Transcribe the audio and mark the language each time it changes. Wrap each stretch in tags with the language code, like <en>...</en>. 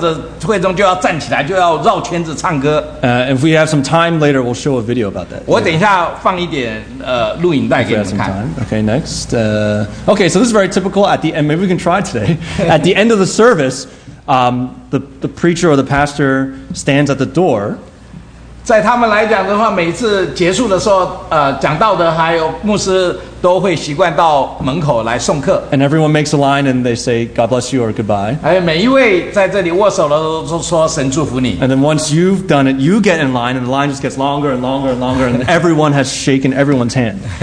<zh>这是一个很典型的，每次聚完会中间的时候，他们的诗班或者会中就要站起来，就要绕圈子唱歌。</zh> <en>If we have some time later, we'll show a video about that.</en> <zh>我等一下放一点录影带给你们看。</zh> <en>Okay, next. Okay, so this is very typical at the end. Maybe we can try today. At the end of the service, the preacher or the pastor stands at the door.</en> <zh>在他们来讲的话，每一次结束的时候，讲道的还有牧师都会习惯到门口来送客。</zh> <en>And everyone makes a line and they say God bless you or goodbye.</en> <zh>每一位在这里握手了都说神祝福你。</zh> <en>And then once you've done it, you get in line and the line just gets longer and longer and longer and everyone has shaken everyone's hand.</en>